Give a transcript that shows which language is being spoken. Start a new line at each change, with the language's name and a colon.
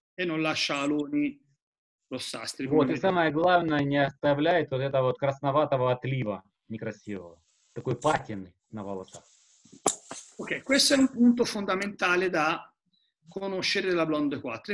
Italian: E non lascia aloni rossastri.
Russian: Вот, и самое главное, не оставляет вот этого вот красноватого отлива некрасивого, такой патины на волосах.
Italian: Ok, questo è un punto fondamentale da conoscere della Blonde 4.